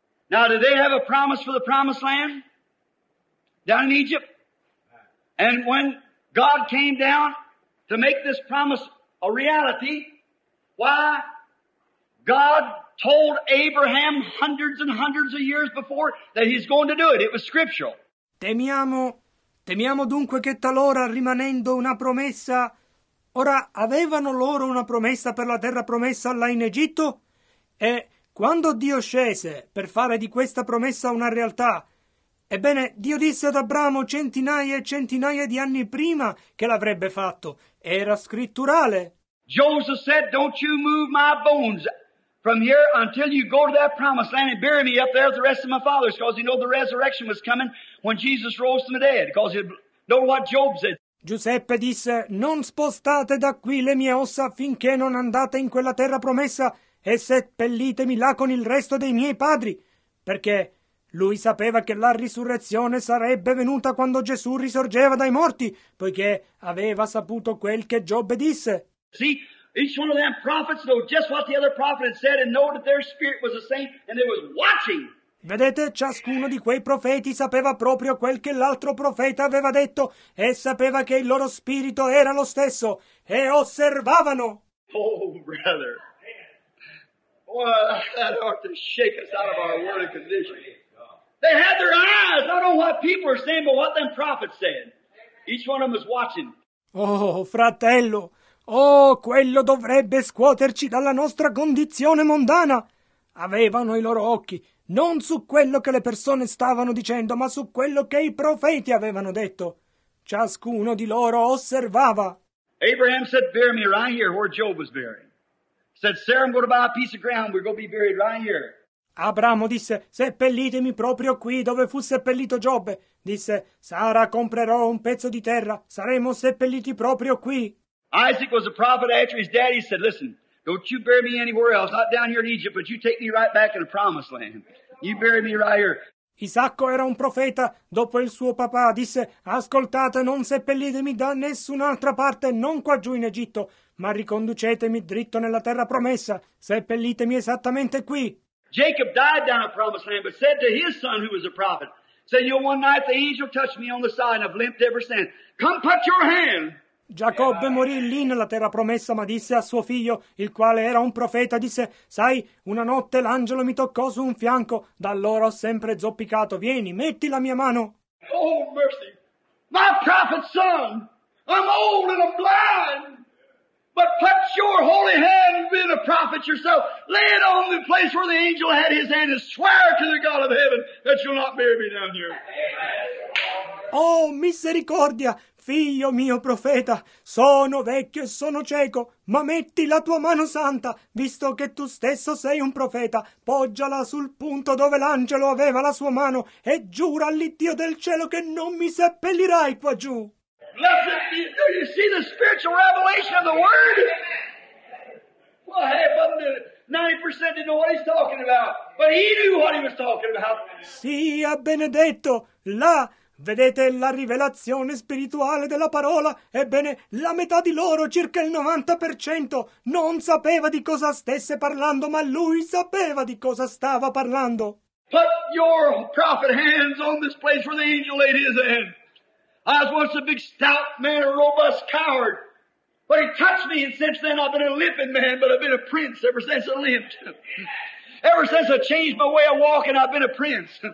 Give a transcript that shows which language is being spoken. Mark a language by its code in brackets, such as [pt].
[en] Now, did they have a promise for the promised land? Down in Egypt? And when God came down to make this promise a reality, why? God told Abraham hundreds and hundreds of years before that he's going to do it. It was scriptural. [it] Temiamo dunque che talora, rimanendo una promessa... Ora, avevano loro una promessa per la terra promessa là in Egitto? E quando Dio scese per fare di questa promessa una realtà, ebbene, Dio disse ad Abramo centinaia e centinaia di anni prima che l'avrebbe fatto. Era scritturale. [en] Joseph said, don't you move my bones from here until you go to that promised land and bury me up there with the rest of my fathers, because you know the resurrection was coming when Jesus rose from the dead, because you know what Job said. [it] Giuseppe disse: non spostate da qui le mie ossa finché non andate in quella terra promessa e seppellitemi là con il resto dei miei padri, perché lui sapeva che la risurrezione sarebbe venuta quando Gesù risorgeva dai morti, poiché aveva saputo quel che Giobbe disse. [en] See, each one of them prophets know just what the other prophet had said and know that their spirit was the same and they was watching. [it] Vedete, ciascuno di quei profeti sapeva proprio quel che l'altro profeta aveva detto e sapeva che il loro spirito era lo stesso e osservavano. [en] Oh, brother. Well, that ought to shake us out of our worldly condition. They had their eyes not on what people were saying, but what them prophets said. Each one of them was watching. [it] Oh, fratello. Oh, quello dovrebbe scuoterci dalla nostra condizione mondana. Avevano i loro occhi non su quello che le persone stavano dicendo, ma su quello che i profeti avevano detto. Ciascuno di loro osservava. [en] Abraham said, bury me right here where Job was buried. Said, Sarah, I'm going to buy a piece of ground. We're going to be buried right here. [it] Abramo disse, seppellitemi proprio qui dove fu seppellito Giobbe. Disse, Sara, comprerò un pezzo di terra. Saremo seppelliti proprio qui. [en] Isaac was a prophet after his daddy said, listen, don't you bury me anywhere else, not down here in Egypt, but you take me right back in the promised land. You bury me right here. [it] Isacco era un profeta. Dopo il suo papà disse, ascoltate, non seppellitemi da nessun'altra parte, non qua giù in Egitto, ma riconducetemi dritto nella terra promessa. Seppellitemi esattamente qui. [en] Jacob died down a promised land, but said to his son, who was a prophet, said, you know, one night the angel touched me on the side, and I've limped ever since. Come put your hand. [it] Giacobbe morì lì nella terra promessa, ma disse a suo figlio, il quale era un profeta, disse, sai, una notte l'angelo mi toccò su un fianco, da allora ho sempre zoppicato, vieni, metti la mia mano. [en] Oh, mercy, my prophet son, I'm old and I'm blind, but put your holy hand and be a prophet yourself, lay it on the place where the angel had his hand and swear to the God of heaven that you'll not bury me down here. [it] Oh, misericordia, figlio mio profeta, sono vecchio e sono cieco, ma metti la tua mano santa, visto che tu stesso sei un profeta, poggiala sul punto dove l'angelo aveva la sua mano e giura all'Iddio del cielo che non mi seppellirai qua giù. [en] Do you see the spiritual revelation of the word? Well, hey, but 90% didn't know what he's talking about, but he knew what he was talking about. [it] Sia benedetto, là. Vedete la rivelazione spirituale della parola? Ebbene, la metà di loro, circa il 90%, non sapeva di cosa stesse parlando, ma lui sapeva di cosa stava parlando. [en] Put your prophet hands on this place where the angel laid his hand. I was once a big stout man, a robust coward. But he touched me, and since then I've been a limping man, but I've been a prince ever since I limped. Ever since I changed my way of walking, I've been a prince.